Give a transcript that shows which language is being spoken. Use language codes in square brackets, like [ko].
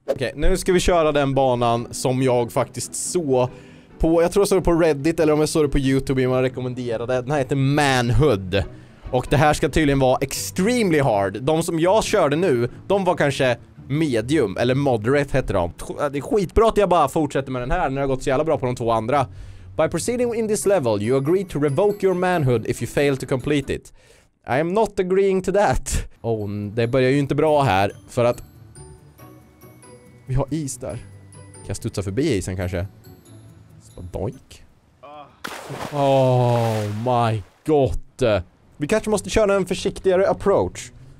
[sv] Okej, nu ska vi köra den banan som jag faktiskt så på, jag tror jag såg det på Reddit eller om jag såg det på YouTube, man rekommenderade. Den här heter Manhood. Och det här ska tydligen vara [en] extremely hard. [sv] De som jag körde nu, de var kanske medium eller moderate heter de. Det är skitbra att jag bara fortsätter med den här när det har gått så jävla bra på de två andra. [en] By proceeding in this level, you agree to revoke your manhood if you fail to complete it. I am not agreeing to that. [sv] Oh, det börjar ju inte bra här för att vi har is där. Kan jag studsa förbi isen kanske? Doink. [en] Oh my god. [sv] Vi kanske måste köra en försiktigare approach.